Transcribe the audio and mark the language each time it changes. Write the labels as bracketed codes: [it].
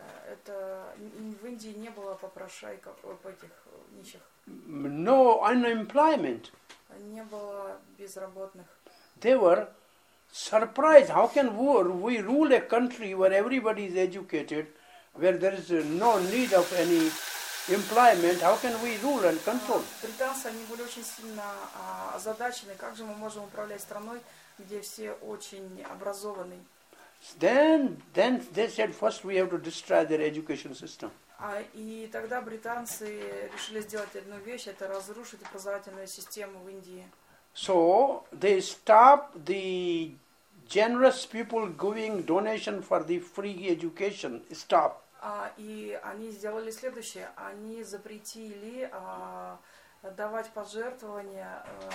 [ru] Это в Индии не было попрошайков этих нищих. [en] No unemployment. [ru] Не было безработных. [en] They were surprise, how can we rule a country where everybody is educated, where there is no need of any employment, how can we rule and control? [ru] Британцы, они были очень сильно озадачены, как же мы можем управлять страной, где все очень образованы. [en] Then they said, first we have to destroy their education system. [ru] И тогда британцы решили сделать одну вещь, это разрушить образовательную систему в Индии. [en] So they stop the generous people giving donation for the free education. Stop. [ru] И они сделали следующее. Они запретили давать пожертвования